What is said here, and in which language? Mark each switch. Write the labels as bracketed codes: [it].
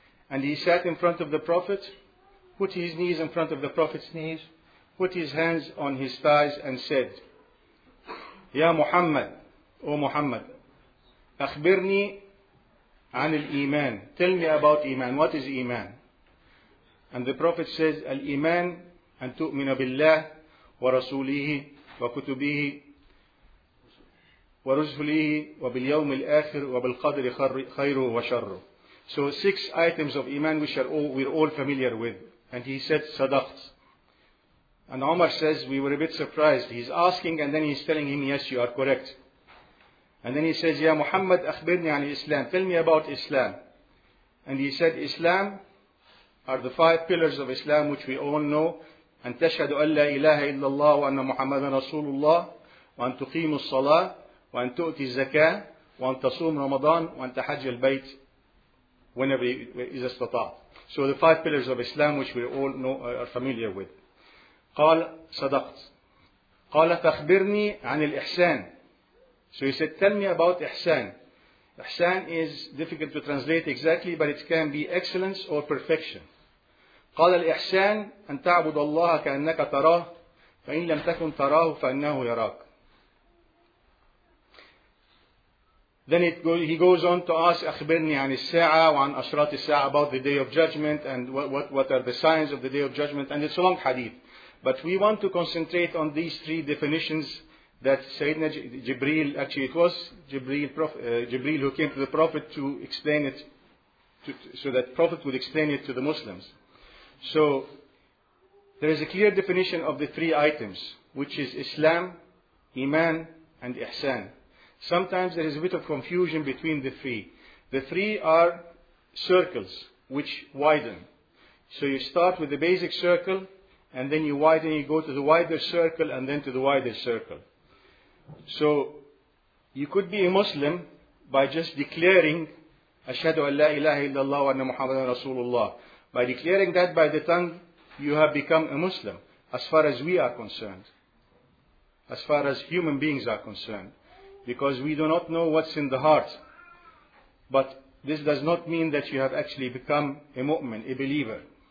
[en] And he sat in front of the Prophet, put his knees in front of the Prophet's knees, put his hands on his thighs and said, Ya Muhammad, O Muhammad, [ar] أخبرني عن الإيمان. [en] Tell me about Iman. What is Iman? And the Prophet says, [ar] Al-Iman, أن تؤمن بالله ورسوله وكتبه ورسله وباليوم الآخر وبالقدر خيره وشره. [en] So six items of Iman which we're all familiar with. And he said, Sadaqt. And Omar says, we were a bit surprised. He's asking and then he's telling him, yes, you are correct. And then he says, Ya Muhammad, [ar] أخبرني عن الإسلام. [en] Tell me about Islam. And he said, Islam are the five pillars of Islam which we all know. [ar] أن تشهد أن لا إله إلا الله وأن محمد رسول الله وأن تقيم الصلاة وأن تؤتي الزكاة وأن تصوم رمضان وأن تحج البيت إذا استطعت. [en] So the five pillars of Islam which we all know are familiar with. [ar] قال صدقت. قال فأخبرني عن الإحسان. [en] So he said, tell me about إحسان. إحسان is difficult to translate exactly, but it can be excellence or perfection. [ar] قال الإحسان أن تعبد الله كأنك تراه فإن لم تكن تراه فإنه يراك. [en] Then he goes on to ask, [ar] أخبرني عن الساعة وعن أشراط الساعة, [en] about the day of judgment and what are the signs of the day of judgment. And it's a long hadith. But we want to concentrate on these three definitions that Sayyidina Jibreel, actually it was Jibreel who came to the Prophet to explain it, so that Prophet would explain it to the Muslims. So there is a clear definition of the three items, which is Islam, Iman, and Ihsan. Sometimes there is a bit of confusion between the three. The three are circles which widen. So you start with the basic circle, and then you widen, you go to the wider circle, and then to the wider circle. So you could be a Muslim by just declaring, [ar] أشهد أن لا إله إلا الله وأن محمدا رسول الله. [en] By declaring that by the tongue, you have become a Muslim, as far as we are concerned, as far as human beings are concerned, because we do not know what's in the heart. But this does not mean that you have actually become a mu'min, a believer.